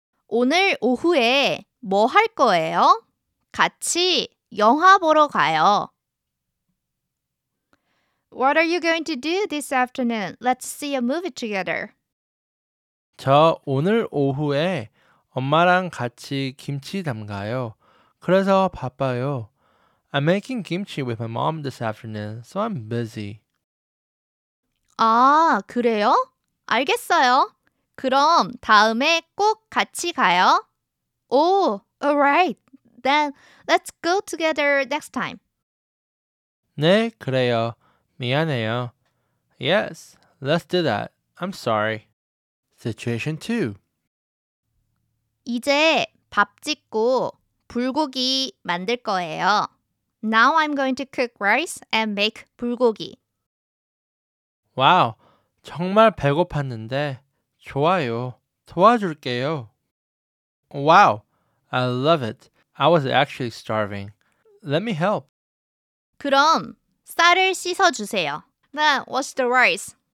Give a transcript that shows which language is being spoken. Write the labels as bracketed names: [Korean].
[Korean] 오늘 오후에 뭐 할 거예요? 같이 영화 보러 가요. [English] What are you going to do this afternoon? Let's see a movie together. [Korean] 저 오늘 오후에 엄마랑 같이 김치 담가요. 그래서 바빠요. [English] I'm making kimchi with my mom this afternoon, so I'm busy. [Korean] 아, 그래요? 알겠어요. 그럼 다음에 꼭 같이 가요. [English] Oh, all right. Then let's go together next time. [Korean] 네, 그래요. 미안해요. [English] Yes, let's do that. I'm sorry. Situation 2. [Korean] 이제 밥 짓고 불고기 만들 거예요. [English] Now I'm going to cook rice and make 불고기. [Korean] 와우, 정말 배고팠는데 좋아요. 도와줄게요. [English] Wow, I love it. I was actually starving. Let me help. [Korean] 그럼 쌀을 씻어주세요. [English] Then wash the rice.